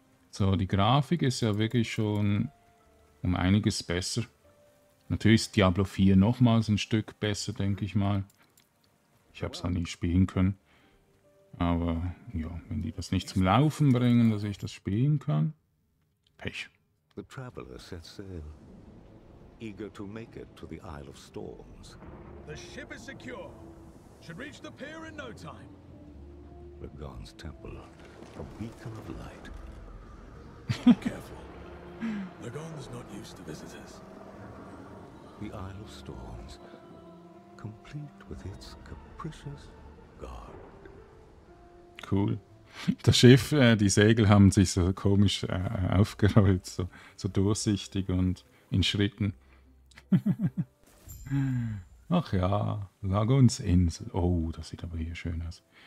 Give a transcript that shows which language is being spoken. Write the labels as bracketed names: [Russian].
[German] So, die Grafik ist ja wirklich schon um einiges besser. Natürlich ist Diablo 4 nochmals ein Stück besser, denke ich mal. Ich habe es noch nicht spielen können. Aber ja, wenn die das nicht zum Laufen bringen, dass ich das spielen kann. Pech. [English] The traveler set sail, eager to make it to the Isle of Storms. The ship is secure. Should reach the pier in no time. The Gaan's Temple, a beacon of light. Careful. The Gaan's not used to visitors. The Isle of Storms, complete with its capricious guard. Cool. [German] Das Schiff, die Segel haben sich so komisch aufgerollt, so durchsichtig und in Schritten. Ach ja, Lagoons Insel. Oh, das sieht aber hier schön aus.